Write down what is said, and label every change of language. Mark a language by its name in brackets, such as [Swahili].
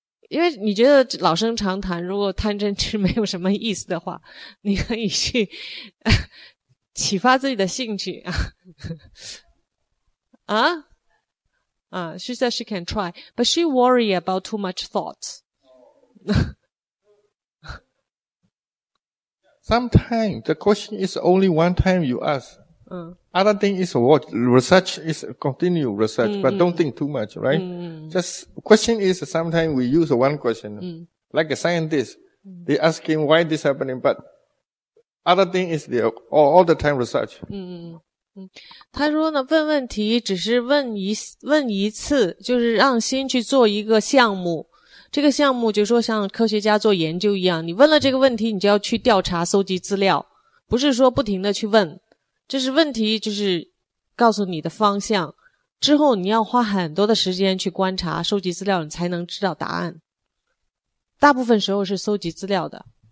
[Chinese] 因为你觉得老生常谈，如果贪嗔痴没有什么意思的话，你可以去启发自己的兴趣啊。 [English] 啊啊 ,she said she can try, but she worry about too much thoughts. Sometimes, the question is only one time you ask. Other thing is what? Research is continue research, but don't think too much, right? Just question is sometimes we use one question. Like a scientist, they ask him why this happening, but other thing is the all the time research. [Chinese] 他说呢，问问题只是问一次，就是让心去做一个项目。这个项目就是说像科学家做研究一样，你问了这个问题，你就要去调查、搜集资料，不是说不停的去问。这是问题，就是告诉你的方向。之后你要花很多的时间去观察、收集资料，你才能知道答案。大部分时候是搜集资料的。